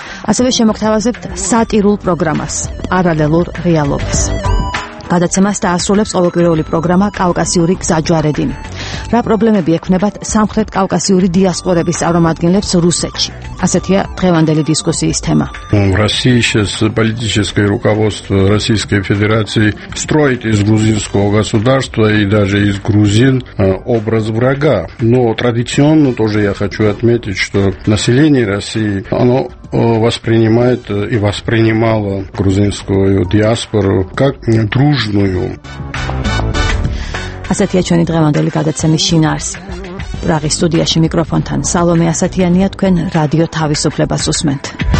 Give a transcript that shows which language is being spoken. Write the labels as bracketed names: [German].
[Georgian] ასევე შემოგთავაზებთ სატირულ პროგრამას პარალელურ რეალობას. გადაცემას დაასრულებს ყოველკვირეული პროგრამა კავკასიური გზაჯვარედინი. რა პრობლემები ექმნებათ სამხრეთ კავკასიური დიასპორების წარმომადგენლებს რუსეთში? ასეთია დღევანდელი დისკუსიის თემა. [Russian] Российское политическое руководство Российской Федерации строит из грузинского государства и даже из грузин образ врага. Но традиционно тоже я хочу отметить, что население России, оно воспринимает и воспринимало грузинскую диаспору как дружную. [Georgian] Асатия ჩვენი დღევანდელი გადაცემის შინაარსი. პრაღის სტუდიაში მიკროფონთან სალომე ასათიანია, თქვენ რადიო თავისუფლებას უსმენთ.